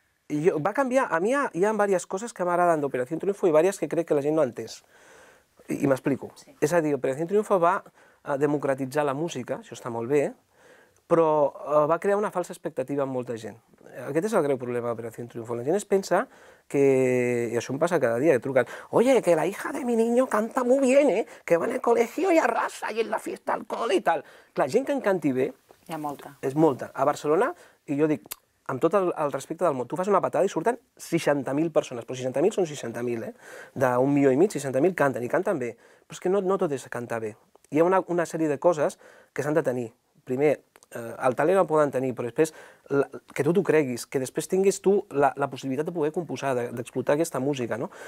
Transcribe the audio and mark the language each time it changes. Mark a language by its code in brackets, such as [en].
[ca] Sí, va canviar. A mi hi ha diverses coses que m'agraden d'Operación Triunfo i diverses que crec que la gent no ha entès. I m'explico. És a dir, Operación Triunfo va democratitzar la música, això està molt bé, però va crear una falsa expectativa en molta gent. Aquest és el greu problema d'Operación Triunfo. La gent es pensa que, i això em passa cada dia, que truquen, [es] oye, que la hija de mi niño canta muy bien, que va en el colegio y arrasa y en la fiesta al cole y tal. [ca] Clar, gent que en canti bé... Hi ha molta. És molta. A Barcelona, i jo dic, amb tot el respecte del món, tu fas una patada i surten 60.000 persones, però 60.000 són 60.000, d'un milió i mig, 60.000 canten, i canten bé. Però és que no tot és cantar bé. Hi ha una sèrie de coses que s'han de tenir. Primer, el talent el poden tenir, però després que tu t'ho creguis, que després tinguis tu la possibilitat de poder composar, d'explotar aquesta música, no?